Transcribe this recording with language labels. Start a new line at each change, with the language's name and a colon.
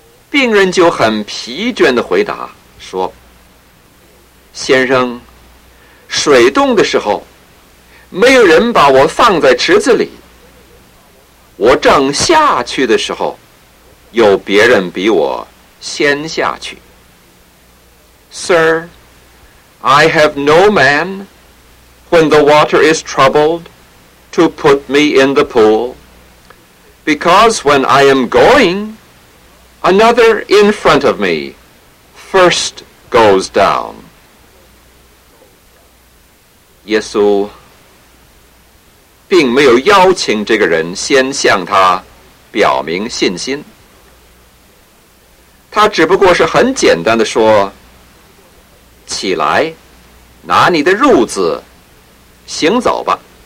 Chinese: 病人就很疲倦地回答说：先生，水冻的时候，没有人把我放在池子里，我正下去的时候，有别人比我先下去。
English: Sir, I have no man when the water is troubled to put me in the pool, because when I am going, another in front of me first goes down.
Chinese: 耶稣并没有邀请这个人先向他表明信心，他只不过是很简单的说：起来，拿你的褥子行走吧。